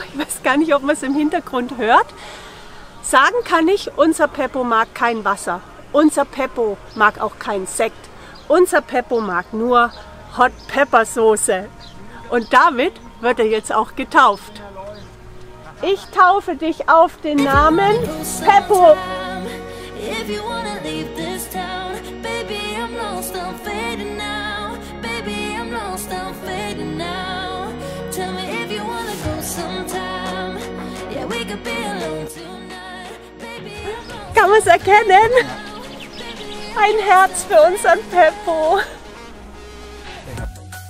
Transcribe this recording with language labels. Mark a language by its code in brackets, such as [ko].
[de] Ich weiß gar nicht, ob man es im Hintergrund hört. Sagen kann ich, unser Peppo mag kein Wasser. Unser Peppo mag auch keinen Sekt. Unser Peppo mag nur Hot Pepper Soße. Und damit wird er jetzt auch getauft. Ich taufe dich auf den Namen Peppo. [en] If you wanna leave this town, baby, I'm lost, I'm fading now. Baby, I'm lost, I'm fading now. Tell me if you wanna go sometime. Yeah, we could be alone tonight. Baby, I'm lost. [de] Kann man's erkennen? Ein Herz für unseren Peppo.